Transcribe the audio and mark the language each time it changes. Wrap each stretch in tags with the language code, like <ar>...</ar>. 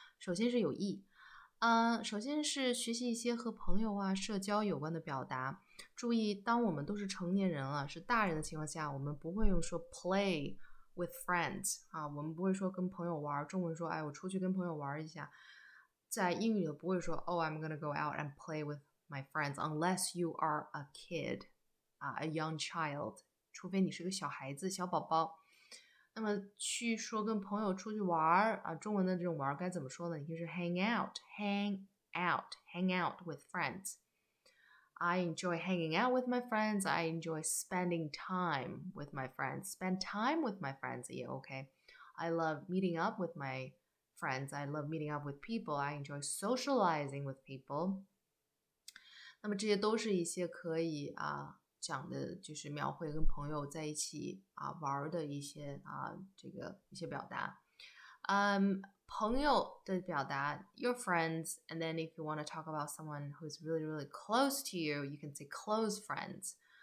<zh>首先是友谊，首先是学习一些和朋友啊、社交有关的表达。注意，当我们都是成年人了，是大人的情况下，我们不会用说</zh> <en>play with friends</en> <zh>啊，我们不会说跟朋友玩。中文说，哎，我出去跟朋友玩一下。在英语的不会说</zh> <en>Oh, I'm gonna go out and play with my friends unless you are a kid,a young child.</en> <zh>除非你是个小孩子、小宝宝。那么去说跟朋友出去玩啊，中文的这种玩该怎么说呢？你就是</zh> <en>hang out with friends. I enjoy hanging out with my friends. I enjoy spending time with my friends. Spend time with my friends, yeah, okay. I love meeting up with my friends, I love meeting up with people, I enjoy socializing with people.</en> <zh>那么这些都是一些可以讲的，就是描绘跟朋友在一起玩的一些这个一些表达。朋友的表达</zh> <en>your friends, and then if you want to talk about someone who's really, really close to you, you can say close friends.</en>